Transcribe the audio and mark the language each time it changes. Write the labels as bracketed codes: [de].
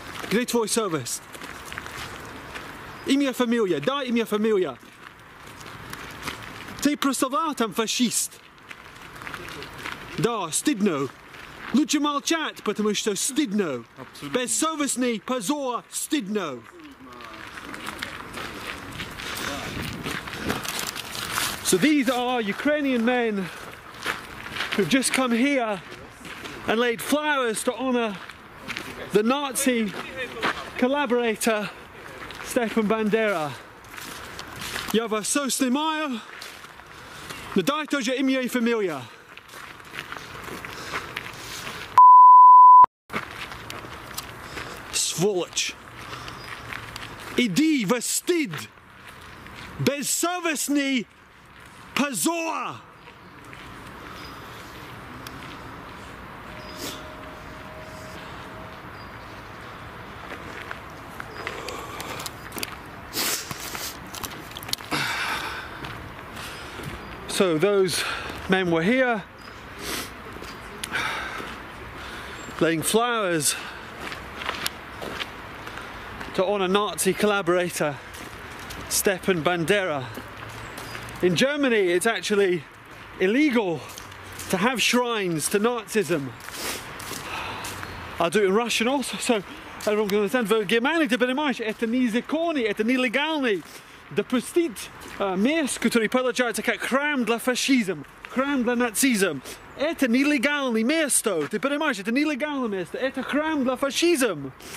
[ru] Где твой совесть? Имя, фамилия, дай имя, фамилия. Ты прославлял там фашист. Да, стыдно. Лучше молчать, потому что стыдно. Бессовестный позор, стыдно. [en] So these are Ukrainian men who've just come here and laid flowers to honor the Nazi collaborator Stefan Bandera. [ru] Я вас все снимаю. Но дай тоже имя и фамилия. Сволочь. Иди в стыд. Бессовестный позор. [en] So those men were here laying flowers to honor Nazi collaborator Stefan Bandera. In Germany, it's actually illegal to have shrines to Nazism. I'll do it in Russian also, so everyone can understand. [ru] В Германии, ты понимаешь, это незаконно, это нелегально. Допустить мест, который получается как храм для фашизм, храм для нацизм. Это нелегальное место, ты понимаешь, это нелегальное место, это храм для фашизм.